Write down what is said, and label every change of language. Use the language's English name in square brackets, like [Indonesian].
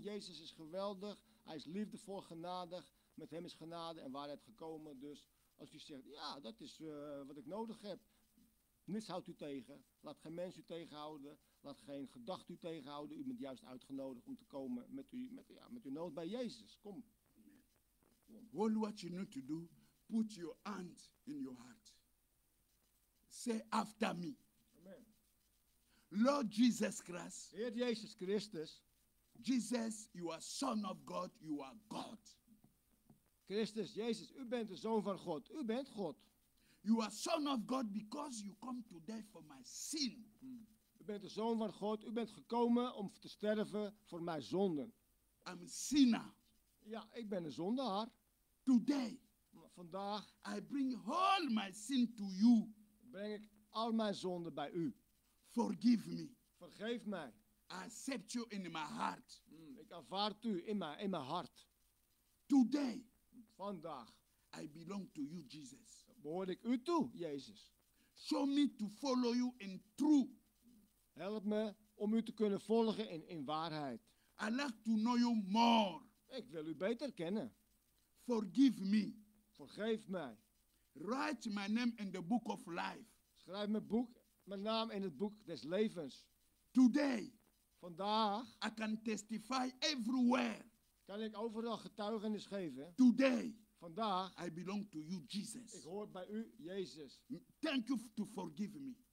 [Dutch] Jezus is geweldig. Hij is liefdevol, genadig. Met hem is genade en waarheid gekomen. Dus als u zegt, dat is wat ik nodig heb. Niets houdt u tegen. Laat geen mens u tegenhouden. Laat geen gedachte u tegenhouden. U bent juist uitgenodigd om te komen met uw nood bij Jezus. Kom. [English] All what you need to do, put your hand in your heart. Say after me. Lord Jesus Christ. [Dutch] Heer Jezus Christus. [English] Jesus, you are Son of God. You are God. [Dutch] Christus, Jezus, u bent de Zoon van God. U bent God. [English] You are Son of God because you come to die for my sin. [Dutch] U bent de Zoon van God. U bent gekomen om te sterven voor mijn zonden. [English] I'm a sinner. [Dutch] Ja, ik ben een zondaar. [English] Today. [Dutch] Vandaag. [English] I bring all my sin to you. [Dutch] Breng ik al mijn zonden bij u. [English] Forgive me. [Dutch] Vergeef mij. [English] I accept you in my heart. [Dutch] Ik aanvaard u in mijn hart. [English] Today. [Dutch] Vandaag. [English] I belong to you, Jesus. [Dutch] Behoor ik u toe, Jezus. [English] Show me to follow you in truth. [Dutch] Help me om u te kunnen volgen in waarheid. [English] I like to know you more. [Dutch] Ik wil u beter kennen. [English] Forgive me. [Dutch] Vergeef mij. [English] Write my name in the book of life. [Dutch] Schrijf mijn naam in het boek des levens. [English] Today. [Dutch] Vandaag. [English] I can testify everywhere. [Dutch] Kan ik overal getuigenis geven. [English] Today. [Dutch] Vandaag. [English] I belong to you, Jesus. [Dutch] Ik hoor bij u, Jezus. [English] Thank you to forgive me.